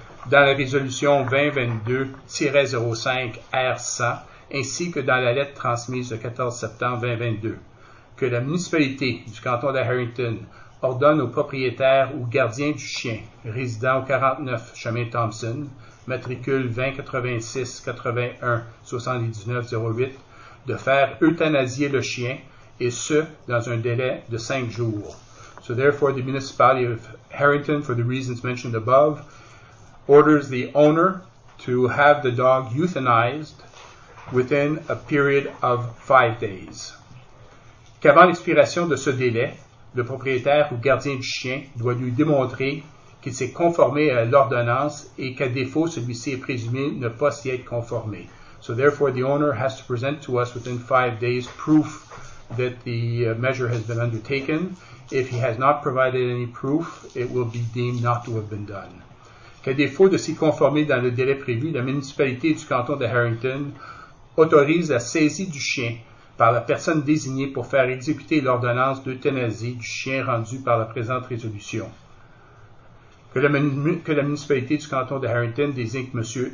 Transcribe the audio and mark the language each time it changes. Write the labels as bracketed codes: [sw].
[fr] dans la résolution 2022-05-R100, ainsi que dans la lettre transmise le 14 septembre 2022, que la municipalité du canton de Harrington ordonne au propriétaire ou gardien du chien résident au 49 chemin Thompson, matricule 2086-81-7908, de faire euthanasier le chien, et ce, dans un délai de 5 jours. [en] So therefore, the municipality of Harrington, for the reasons mentioned above, orders the owner to have the dog euthanized within a period of 5 days. [fr] Qu'avant l'expiration de ce délai, le propriétaire ou gardien du chien doit lui démontrer qu'il s'est conformé à l'ordonnance et qu'à défaut, celui-ci est présumé ne pas s'y être conformé. [en] So therefore, the owner has to present to us within 5 days proof that the measure has been undertaken. If he has not provided any proof, it will be deemed not to have been done. [fr] Qu'à défaut de s'y conformer dans le délai prévu, la municipalité du canton de Harrington autorise la saisie du chien par la personne désignée pour faire exécuter l'ordonnance d'euthanasie du chien rendue par la présente résolution. Que la municipalité du canton de Harrington désigne M.